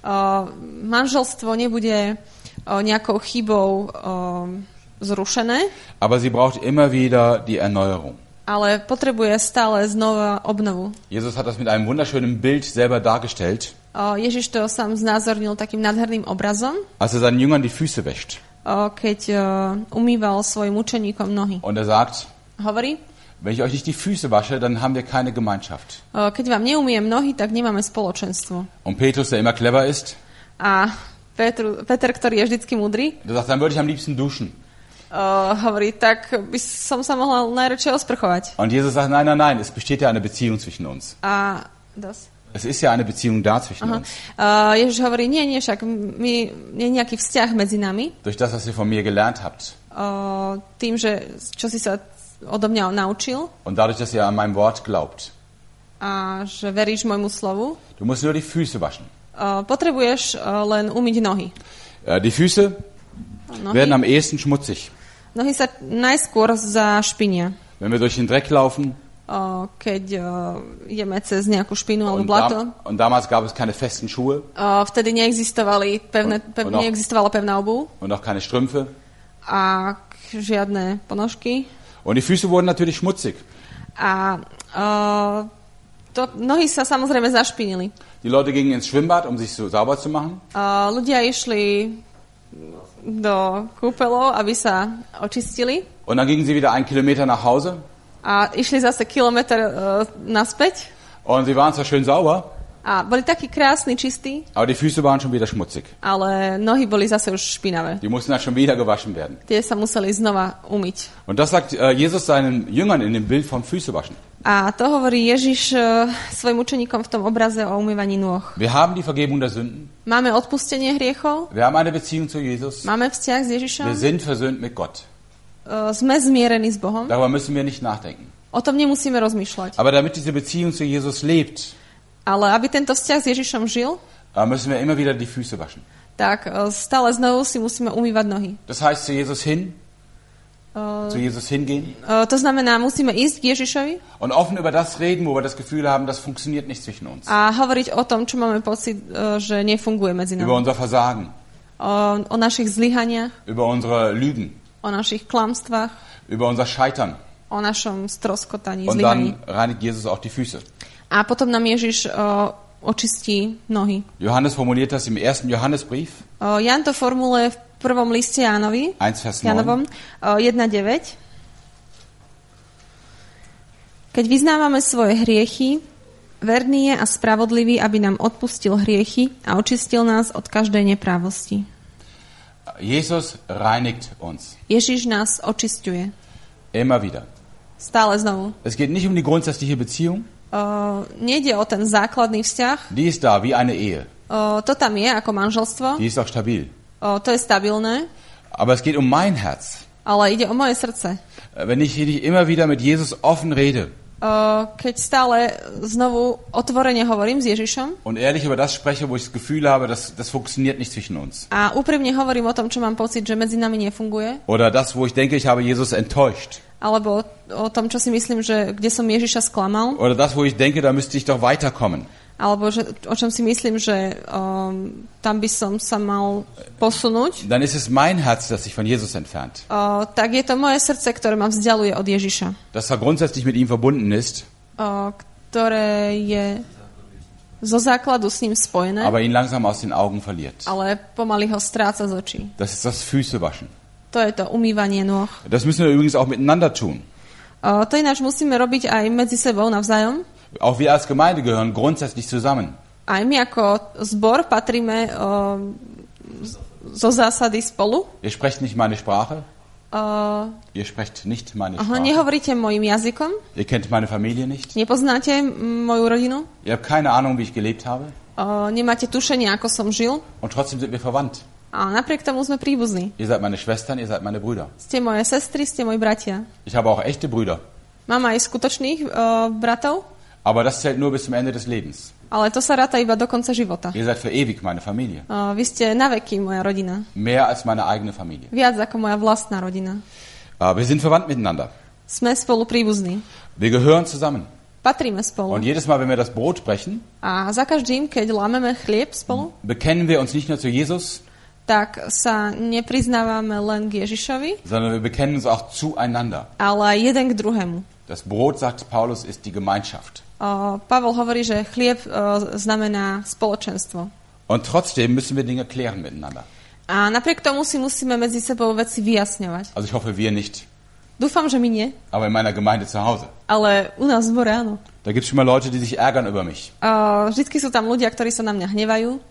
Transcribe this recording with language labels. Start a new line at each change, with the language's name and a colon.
Slovak: Manželstvo nebude nejakou chybou zrušené.
German: Aber sie braucht immer wieder die Erneuerung.
Slovak: Ale potrebuje stále znova obnovu.
German: Jesus hat das mit einem wunderschönen Bild selber dargestellt.
Slovak: Ježiš to sám znázornil takým nádherným obrazom.
German: Als er seinen Jüngern die Füße wäscht.
Slovak: Keď umýval svojim učeníkom nohy.
German: Und er sagt,
Slovak: hovorí,
German: wenn ich euch nicht die Füße wasche, dann haben wir keine Gemeinschaft.
Slovak: Keď vám neumiem nohy, tak nemáme spoločenstvo.
German: Und Petrus, der immer clever ist,
Slovak: a Peter, ktorý je vždycky múdry,
German: der sagt, dann würde ich am liebsten duschen.
Slovak: Hovorí, tak by som sa mohla najradšej osprchovať.
German: Und Jesus sagt, nein, nein, nein, es besteht ja eine Beziehung zwischen uns. A das? Es ist ja eine Beziehung da zwischen uns.
Slovak: Ježiš hovorí, nie, nie, však my, nie je nejaký vzťah medzi nami.
German: Durch das, was ihr von mir gelernt habt.
Slovak: Tým, že čo si sa odo mňa naučil.
German: Und dadurch, dass ihr an mein Wort glaubt.
Slovak: A že veríš môjmu slovu.
German: Du musst nur die Füße waschen.
Slovak: Potrebuješ len umyť nohy.
German: Die Füße werden am ehesten schmutzig.
Slovak: Nohy sa najskôr zašpinia.
German: Wenn wir durch den Dreck laufen.
Slovak: Keď jeme cez nejakú špinu alebo blato.
German: Und damals gab es keine festen Schuhe.
Slovak: Vtedy neexistovali neexistovala pevná obuv.
German: Und auch keine Strümpfe.
Slovak: A žiadne ponožky.
German: Und die Füße wurden natürlich schmutzig.
Slovak: A to nohy sa samozrejme zašpinili.
German: Die Leute gingen ins Schwimmbad, um sich so sauber zu machen.
Slovak: Ľudia išli do kúpeľov, aby sa očistili.
German: Und dann gingen sie wieder einen Kilometer nach Hause.
Slovak: A išli zase kilometer naspäť.
German: Und sie waren zwar schön sauber.
Slovak: A boli takí krásni, čistí.
German: Aber die Füße waren schon wieder schmutzig.
Slovak: Ale nohy boli zase už špinavé.
German: Die mussten dann schon wieder gewaschen werden.
Slovak: Tie sa museli znova umyť.
German: Und das sagt Jesus seinen Jüngern in dem Bild vom Füße waschen.
Slovak: A to hovorí Ježiš svojim učeníkom v tom obraze o umývaní nôh.
German: Wir haben die Vergebung der Sünden.
Slovak: Máme odpustenie hriechov.
German: Wir haben eine Beziehung zu Jesus.
Slovak: Máme vzťah s Ježišom.
German: Wir sind versöhnt mit Gott.
Slovak: Sme zmierení s Bohom.
German: Darüber müssen wir nicht nachdenken.
Slovak: O tom nemusíme rozmýšľať.
German: Aber damit diese Beziehung zu Jesus lebt,
Slovak: ale aby tento vzťah s Ježišom žil,
German: müssen wir immer wieder die Füße waschen.
Slovak: Tak stále znovu si musíme umývať nohy.
German: Das heißt, zu Jesus hin, zu Jesus hingehen.
Slovak: To znamená, musíme ísť k Ježišovi.
German: Und offen über das reden, wo wir das Gefühl haben, das funktioniert nicht zwischen uns.
Slovak: A hovoriť o tom, čo máme pocit, že nefunguje medzi nami.
German: Über unser Versagen.
Slovak: O našich zlyhaniach.
German: Über unsere Lügen.
Slovak: O našich klamstvách.
German: Über unser Scheitern.
Slovak: O našom stroskotaní, zlyhaní.
German: Und dann reinigt Jesus auch die Füße.
Slovak: A potom nám Ježiš očistí nohy.
German: Johannes formuliert das im ersten Johannesbrief.
Slovak: Jan to formuluje v prvom liste Jánovi. 1:9. Keď vyznávame svoje hriechy, verný je a spravodlivý, aby nám odpustil hriechy a očistil nás od každej neprávosti.
German: Jesus reinigt uns.
Slovak: Ježiš nás očisťuje.
German: Immer wieder.
Slovak: Stále znovu.
German: Es geht nicht um die grundsätzliche Beziehung.
Slovak: Nejde o ten základný vzťah.
German: Die ist da, wie eine Ehe.
Slovak: To tam je, ako manželstvo.
German: Die ist auch stabil.
Slovak: To je stabilné.
German: Aber es geht um mein Herz.
Slovak: Ale ide o moje srdce.
German: Wenn ich nicht immer wieder mit Jesus offen rede.
Slovak: Keď stále znovu otvorene hovorím s Ježišom.
German: Und ehrlich über das spreche, wo ich das Gefühl habe, das funktioniert nicht zwischen uns.
Slovak: A úprimne hovorím o tom, čo mám pocit, že medzi nami nefunguje.
German: Oder das, wo ich denke, ich habe Jesus enttäuscht.
Slovak: Alebo o tom, čo si myslím, že kde som Ježiša sklamal.
German: Oder das, wo ich denke, da müsste ich doch weiterkommen.
Slovak: Alebo že, o čom si myslím, že tam by som sa mal posunúť.
German: Dann ist es mein Herz, das sich von Jesus entfernt.
Slovak: Tak je to moje srdce, ktoré ma vzdialuje od Ježiša.
German: Das war grundsätzlich mit ihm verbunden ist.
Slovak: Ktoré je zo základu s ním spojené.
German: Aber ihn langsam aus den Augen verliert.
Slovak: Ale pomaly ho stráca z očí.
German: Das ist das Füße waschen.
Slovak: To je to umývanie nôh.
German: Das müssen wir übrigens auch miteinander tun.
Slovak: To ináč musíme robiť aj medzi sebou navzájom.
German: Auch wir als Gemeinde gehören grundsätzlich zusammen.
Slovak: Aj my ako zbor patríme zo zásady spolu.
German: Ihr sprecht nicht meine Sprache. Ihr sprecht nicht meine Sprache.
Slovak: Nehovoríte mojim jazykom.
German: Ihr kennt meine Familie nicht.
Slovak: Nepoznáte moju rodinu.
German: Ihr habt keine Ahnung, wie ich gelebt habe.
Slovak: Nemáte tušenie, ako som žil.
German: Und trotzdem sind wir verwandt.
Slovak: A napriek tomu sme príbuzní.
German: Ihr seid meine Schwestern, ihr seid meine Brüder.
Slovak: Ste moje sestry, ste moji bratia.
German: Ich habe auch echte Brüder.
Slovak: Mám aj skutočných bratov.
German: Aber das zählt nur bis zum Ende des Lebens.
Slovak: Ale to sa ráta iba do konca života.
German: Ihr seid für ewig meine Familie.
Slovak: Vy ste naveky moja rodina.
German: Mehr als meine eigene Familie.
Slovak: Viac ako moja vlastná rodina.
German: Wir sind verwandt miteinander.
Slovak: Sme spolu príbuzní.
German: Wir gehören zusammen.
Slovak: Patríme spolu.
German: Und jedes Mal, wenn wir das Brot brechen,
Slovak: a za každým, keď lámeme chlieb spolu,
German: bekennen wir uns nicht nur zu Jesus,
Slovak: tak sa nepriznávame len k Ježišovi,
German: sondern wir bekennen uns auch zueinander.
Slovak: Ale jeden k druhému.
German: Das Brot, sagt Paulus, ist die Gemeinschaft.
Slovak: Pavel hovorí, že chlieb znamená spoločenstvo.
German: Und trotzdem müssen wir Dinge klären miteinander.
Slovak: A napriek tomu si musíme medzi sebou veci vyjasňovať.
German: Also ich hoffe, wir nicht.
Slovak: Dúfam, že my nie.
German: Aber in meiner Gemeinde zu Hause.
Slovak: Ale u nás v Bore, áno.
German: Da gibt's schon mal Leute, die sich ärgern über mich.
Slovak: Vždycky sú tam ľudia, ktorí sa na mňa hnevajú.